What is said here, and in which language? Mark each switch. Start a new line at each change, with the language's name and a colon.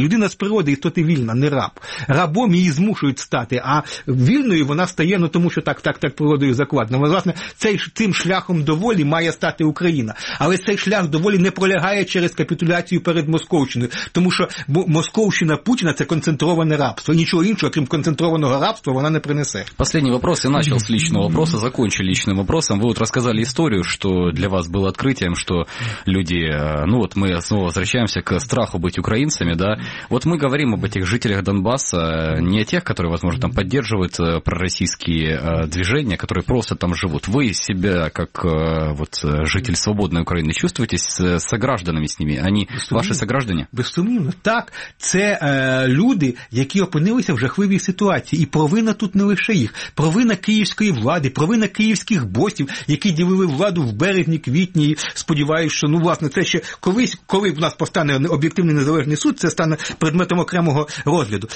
Ukrainian: Людина з природи істоти вільна, не раб. Рабом її змушують стати, а вільною вона стає, ну тому що так природою закладено. Власне, цим шляхом до волі має стати Україна. Але цей шлях до волі не пролягає через капітуляцію перед Московщиною, тому що Московщина Путіна – це концентроване рабство. Нічого іншого, крім концентрованого рабства, вона не принесе.
Russian: Последний вопрос. Я начал с личного вопроса, закончу личным вопросом. Вы вот рассказали историю, что для вас было открытием, что люди... Ну вот мы снова возвращаемся к страху быть украинцами, да? Вот мы говорим об этих жителях Донбасса, не о тех, которые, возможно, там поддерживают пророссийские движения, которые просто там живут. Вы себя, как вот житель свободной Украины, чувствуете согражданами с ними? Они ваши сограждане?
Ukrainian: Безсумнівно. Так, це люди, які опинилися в жахливій ситуації. І провина тут не лише їх. Провина київської влади, провина київських босів, які ділили владу в березні, квітні, сподіваюся, що, ну, власне, це ще колись, коли в нас постане об'єктивний незалежний суд, це стане предметом окремого розгляду.